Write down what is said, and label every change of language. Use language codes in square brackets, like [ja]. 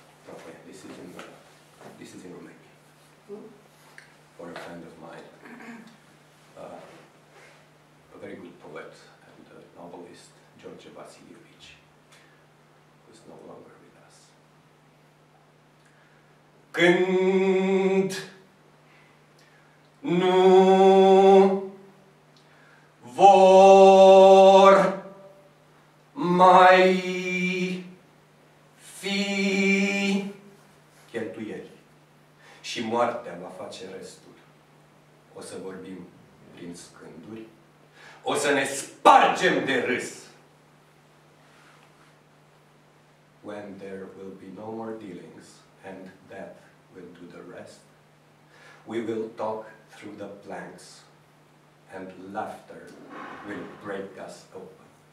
[en] Okay, this is in Romania. Mm. For a friend of mine, a very good poet and novelist, George Vasilievich, who is no longer with us. [ro] Când nu vor mai fi cheltuieli și moartea va face restul. O să vorbim prin scânduri, o să ne spargem de râs. [en] When there will be no more dealings and death will do the rest, we will talk through the planks. And laughter will break us open.